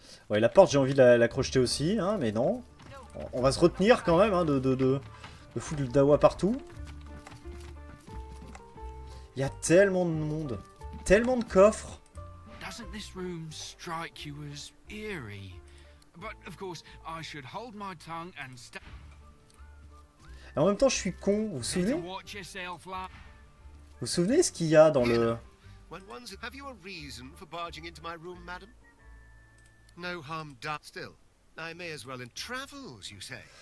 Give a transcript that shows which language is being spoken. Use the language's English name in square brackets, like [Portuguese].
[French] Ouais, la porte, j'ai envie de la crocheter aussi, hein, mais non. On va se retenir quand même, hein, de foutre le dawa partout. Il y a tellement de monde, tellement de coffres. [English] Doesn't this room strike you as eerie? But of course, I should hold my tongue and stay. [French] Et en même temps, je suis con, vous vous souvenez? Vous vous souvenez ce qu'il y a dans le... [English] Have you a reason for barging into my room, madam? No harm done. Still, I may as well in travels, you say.